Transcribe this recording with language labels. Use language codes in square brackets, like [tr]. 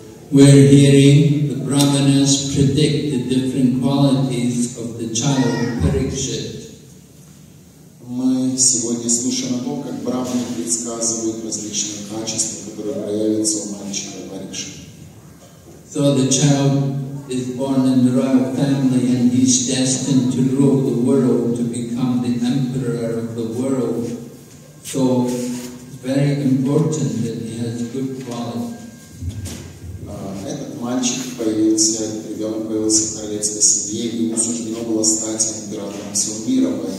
[en] We're hearing the brahmanas predict the different qualities of the child Parikshit. [ru] Мы сегодня слушаем о том, как брахманы предсказывают различные качества, которые проявятся у мальчика Парикшита. [en] So the child is born in the royal family and he's destined to rule the world, to become the emperor of the world. So it's very important that he has good qualities. [ru] Этот мальчик появился, ребенок появился в королевской семье, и ему суждено было стать императором всего мира.